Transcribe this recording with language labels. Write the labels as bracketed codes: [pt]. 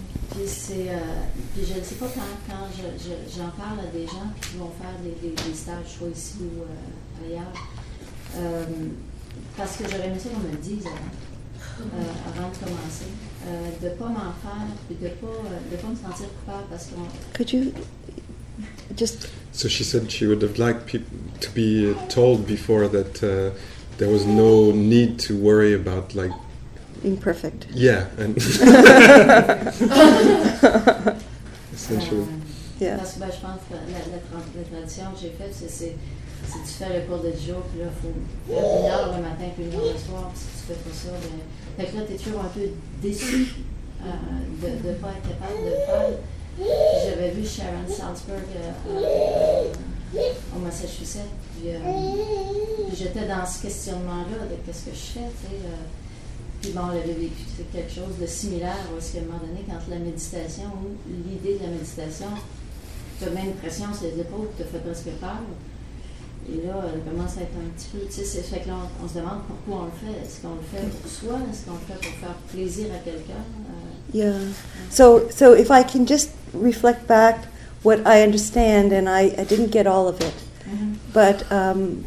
[fr] Puis je ne sais pas quand j'en parle à des gens qui vont faire des stages, soit ici ou ailleurs, parce que j'aurais aimé ça qu'on me le dise avant de commencer, de ne pas m'en faire, puis de pas me sentir coupable parce qu'on... [en] Could you just... So she said she would have liked people to be told before that there was no need to worry about, like... being perfect. Yeah. And essentially. Yeah. [fr] Parce que je pense que la tradition que j'ai faite, c'est tu fais le cours de jour, puis là, il faut faire une heure le matin puis une heure le soir, puis si tu fais pas ça, ben... Fait que là, t'es toujours un peu déçu de pas être capable de faire... J'avais vu Sharon Salzberg au Massachusetts, puis j'étais dans ce questionnement-là de qu'est-ce que je fais, tu sais. Puis bon, j'avais vécu quelque chose de similaire, où est-ce qu'à un moment donné, quand la méditation ou l'idée de la méditation te met une pression sur les épaules, te fait presque peur, et là, elle commence à être un petit peu, tu sais, c'est fait que là, on se demande pourquoi on le fait. Est-ce qu'on le fait pour soi? Est-ce qu'on le fait pour faire plaisir à quelqu'un? [en] Yeah. So if I can just reflect back what I understand, and I didn't get all of it, mm-hmm.